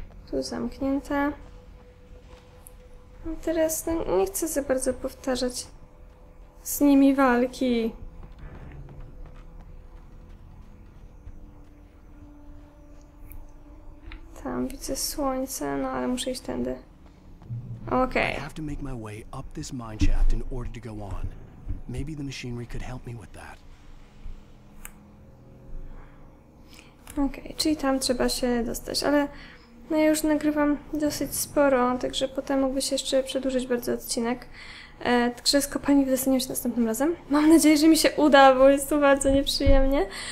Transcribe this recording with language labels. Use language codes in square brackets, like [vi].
[pl] Tu zamknięte. A teraz no, nie chcę za bardzo powtarzać z nimi walki. Tam widzę słońce, no ale muszę iść tędy. Okej. [en] I have to make my way up this mine shaft in order to go on. Maybe the machinery could help me with that. [pl] Okej, czyli tam trzeba się dostać, ale no ja już nagrywam dosyć sporo, także potem mógłby się jeszcze przedłużyć bardzo odcinek. Także z kopalni wydostaniemy się następnym razem. Mam nadzieję, że mi się uda, bo jest to bardzo nieprzyjemnie.